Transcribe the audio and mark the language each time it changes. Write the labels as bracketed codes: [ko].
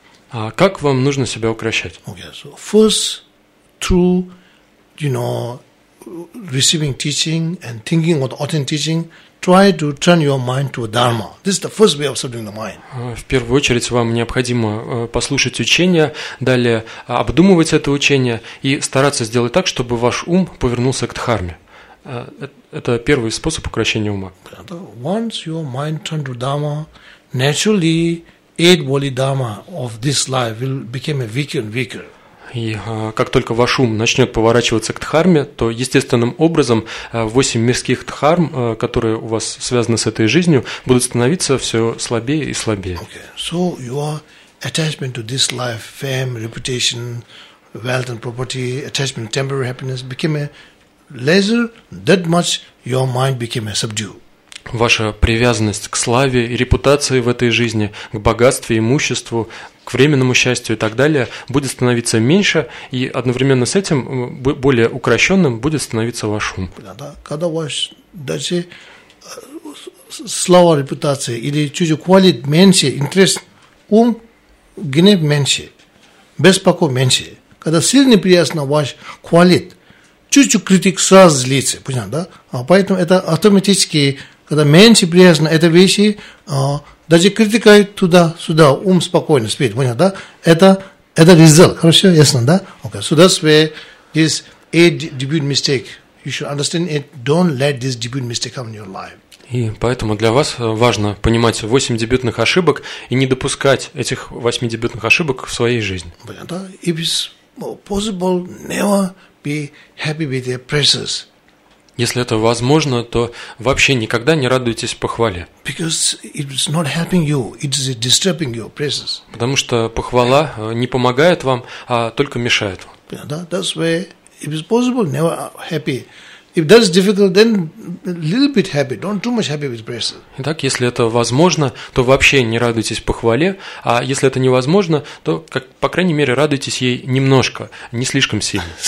[ru] А как вам нужно себя укрощать? [en] Okay. So first through, you know, receiving teaching and thinking about authentic teaching. Try to turn your mind to a dharma. This is the first way of subduing the mind. [ru] В первую очередь вам необходимо послушать учение, далее обдумывать это учение и стараться сделать так, чтобы ваш ум повернулся к дхарме. Это первый способ укрощения ума. [en] Once your mind turned to dharma, naturally eight worldly dharma of this life will become a weaker and weaker. [ru] И как только ваш ум начнет поворачиваться к дхарме, то естественным образом восемь мирских дхарм, которые у вас связаны с этой жизнью, будут становиться все слабее и слабее. [en] Okay. So your attachment to this life, fame, reputation, wealth and property, attachment to temporary happiness became a lesser, that much your mind became a subdued. [ru] Ваша привязанность к славе и репутации в этой жизни, к богатству, имуществу, к временному счастью и так далее, будет становиться меньше, и одновременно с этим более укрощенным будет становиться ваш ум. Когда ваш даже слава, репутация или чуть-чуть квалит меньше, интерес, ум, гнев меньше, беспокой меньше. Когда сильный приятно ваш квалит, чуть-чуть критик сразу злится, понятно, да? Поэтому это автоматически, когда меньше приятно это вещи, даже критика туда-сюда, ум спокойно спит, понятно, да? Это результат, хорошо, ясно, да? [en] Okay, so that's where this eight debut mistake, you should understand it, don't let this debut mistake come in your life. [ru] И поэтому для вас важно понимать восемь дебютных ошибок и не допускать этих восьми дебютных ошибок в своей жизни. Понятно, да? [en] If it's possible, never be happy with their praises. [ru] Если это возможно, то вообще никогда не радуйтесь похвале. [en] Because it's not helping you, it's disturbing your praises. [ru] Потому что похвала не помогает вам, а только мешает вам. [en] Yeah, that's where, if it's possible, never happy. If that's difficult, then a little bit happy, don't too much happy with praise. [ru] Итак, если это возможно, то вообще не радуйтесь похвале, а если это невозможно, то как, по крайней мере радуйтесь ей немножко, не слишком сильно.